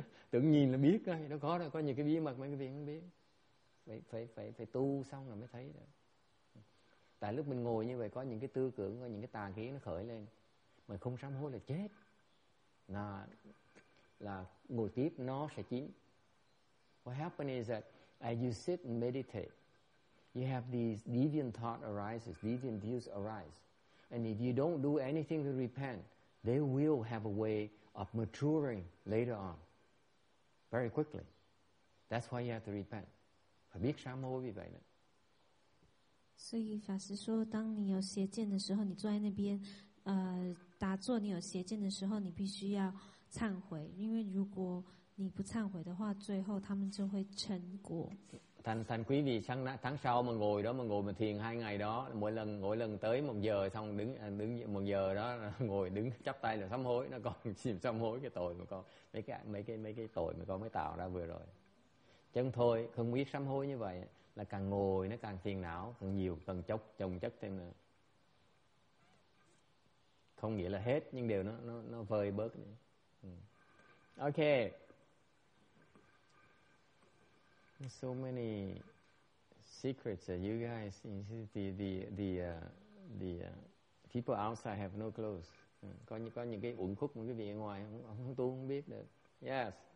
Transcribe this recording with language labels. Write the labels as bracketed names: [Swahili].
[Vietnamese] tưởng nhìn là biết ngay, nó có rồi, có những cái bí mật mà quý vị không biết. Phải tu xong rồi mới thấy được. Tại lúc mình ngồi như vậy có những cái tư tưởng, có những cái tà kiến nó khởi lên. Mình không sám hối là chết. Là ngồi tiếp nó sẽ chín. [English] What happens is that as you sit and meditate, you have these deviant thoughts arises, deviant views arise. And if you don't do anything to repent, they will have a way of maturing later on. Very quickly. That's why you have to repent. [Vietnamese] Phải biết sám hối vì vậy đó. [Chinese] 所以法师说，当你有邪见的时候，你坐在那边，打坐，你有邪见的时候，你必须要忏悔，因为如果你不忏悔的话，最后他们就会成果。 [Vietnamese] thành quý vị sang tháng sau mà ngồi đó, mà ngồi mà thiền hai ngày đó, mỗi lần ngồi lần tới một giờ xong đứng một giờ đó ngồi đứng chắp tay là sám hối, nó còn xin sám hối cái tội mà con mấy cái tội mà con mới tạo ra vừa rồi. Chứ thôi không biết sám hối như vậy là càng ngồi nó càng phiền não càng nhiều, càng chồng chất thêm nữa. Không nghĩa là hết nhưng đều nó vơi bớt nữa. [English] Ok. So many secrets that you guys, the people outside have no clues. [Vietnamese] Có những cái uẩn khúc mà quý vị ở ngoài không tu không biết được. Yes.